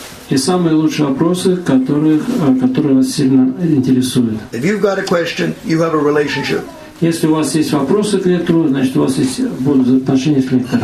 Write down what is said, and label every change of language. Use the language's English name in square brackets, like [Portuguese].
[Russian] И самые лучшие вопросы, которые вас сильно интересуют. [English] If you've got a question, you have a relationship. [Russian] Если у вас есть вопросы к лектору, значит, у вас будут отношения с лектором.